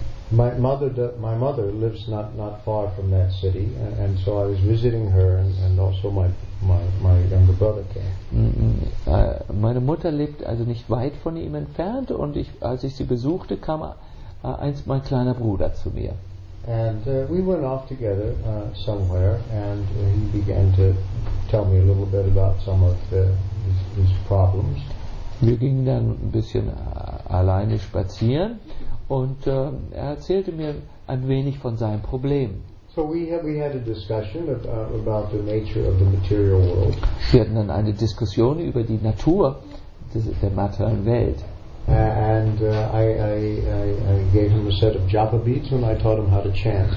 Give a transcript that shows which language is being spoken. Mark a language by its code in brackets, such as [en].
[en] My mother lives not far from that city, and so I was visiting her, and also my younger brother came. [de] Meine Mutter lebt also nicht weit von ihm entfernt, und als ich sie besuchte, kam einst mein kleiner Bruder zu mir. [en] And we went off together somewhere, and he began to tell me a little bit about some of his problems. [de] Wir gingen dann ein bisschen alleine spazieren, und er erzählte mir ein wenig von seinem Problem. [en] So we had a discussion about the nature of the material world. [de] Wir hatten dann eine Diskussion über die Natur der materiellen Welt. [en] And I gave him a set of japa beads when I taught him how to chant.